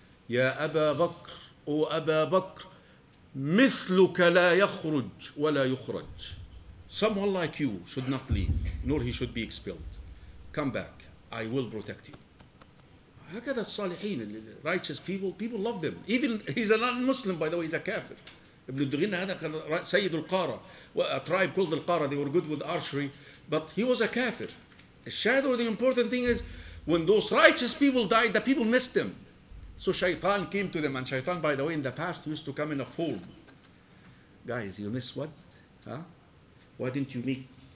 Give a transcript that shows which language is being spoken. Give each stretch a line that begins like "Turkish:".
Arabic: Ya Abu Bakr, O Abu Bakr, مثلك لا يخرج ولا يخرج.
English: Someone like you should not leave, nor he should be expelled. Come back. I will protect you.
Arabic: هكذا الصالحين,
English: righteous people, people love them. Even he's a non-Muslim, by the way, he's a kafir. Ibn Dughinna,
Arabic: هذا كان سيد القارة,
English: a tribe called القارة. They were good with archery, but he was a kafir. Shadow. The important thing is, when those righteous people died, the people missed them. So Shaitan came to them, and Shaitan, by the way, in the past used to come in a form. Guys, you miss what? Huh? Why didn't you make?